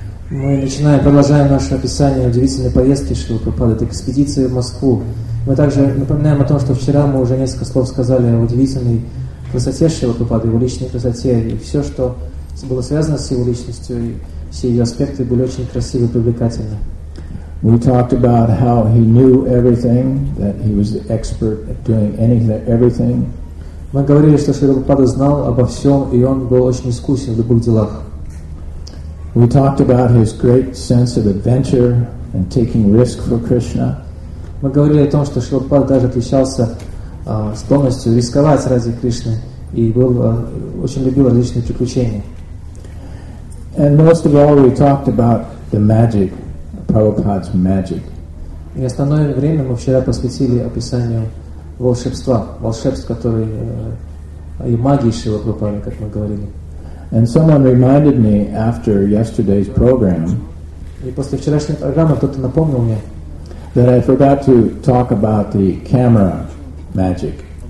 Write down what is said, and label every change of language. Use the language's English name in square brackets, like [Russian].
[Russian] Мы начинаем, продолжаем наше описание удивительной поездки Шрилы Прабхупады, этой экспедиции в Москву. Мы также напоминаем о том, что вчера мы уже несколько слов сказали о удивительной красоте Шрилы Прабхупады, его личной красоте, и все, что было связано с его личностью, и все ее аспекты были очень красивы и привлекательны. [English] We talked about how he knew everything, that he was the expert at doing anything, everything. [Russian] Мы говорили, что Шрила Прабхупада знал обо всем, и он был очень искусен в любых делах. [English] We talked about his great sense of adventure and taking risk for Krishna. [Russian] Мы говорили о том, что Шрила Прабхупада даже отличался склонностью рисковать ради Кришны и был очень любил различные приключения. [English] And most of all, we talked about the magic, Prabhupada's magic. [Russian] И основное время мы вчера посвятили описанию волшебства, волшебств, которые и магии Шрила Прабхупады, как мы говорили. [English] And someone reminded me after yesterday's program that I forgot to talk about the camera magic.